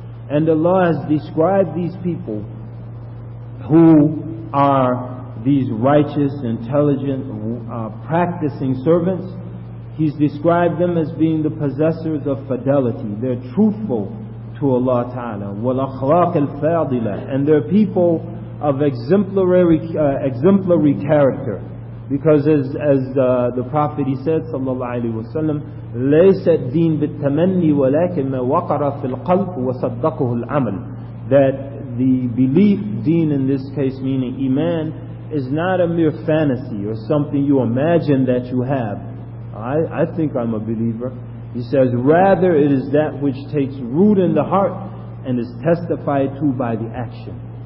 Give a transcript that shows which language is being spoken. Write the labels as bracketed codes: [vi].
[en] And Allah has described these people who are these righteous, intelligent, practicing servants. He's described them as being the possessors of fidelity. They're truthful to Allah Ta'ala. [ar] وَالْأَخْلَاقِ الْفَاضِلَةِ. [en] And they're people of exemplary character. Because as the Prophet, he said, [ar] sallallahu alaihi wasallam, لَيْسَ الدِّينَ بِالتَّمَنِّي وَلَكِنْ مَا وَقَرَ فِي الْقَلْبِ وَصَدَّقُهُ الْعَمَلِ. [en] That the belief, deen in this case, meaning iman, is not a mere fantasy or something you imagine that you have. I think I'm a believer. He says, rather it is that which takes root in the heart and is testified to by the action.